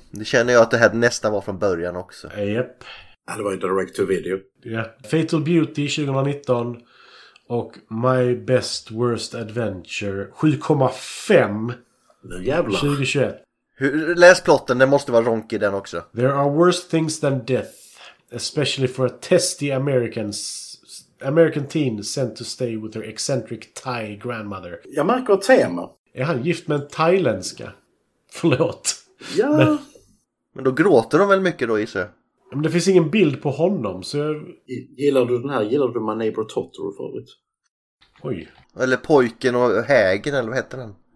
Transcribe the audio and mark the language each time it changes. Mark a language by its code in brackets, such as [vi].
[sv] Det känner jag att det här nästan var från början också. Japp. Det var ju [en] direct to video. Yeah. Fatal Beauty 2019. Och My Best Worst Adventure 7,5. [sv] Nu jävlar. 2021. Läs plotten, det måste vara ronk i den också. [en] There are worse things than death, especially for a testy American teen sent to stay with her eccentric Thai grandmother. [sv] Jag märker ett tema. Är han gift med en thailändska? Förlåt. Ja. Men då gråter de väl mycket då, Isse? Men det finns ingen bild på honom, så jag... Gillar du den här? Gillar du My Neighbor Totoro förut? Oj. Eller Pojken och Hägen, eller vad heter den?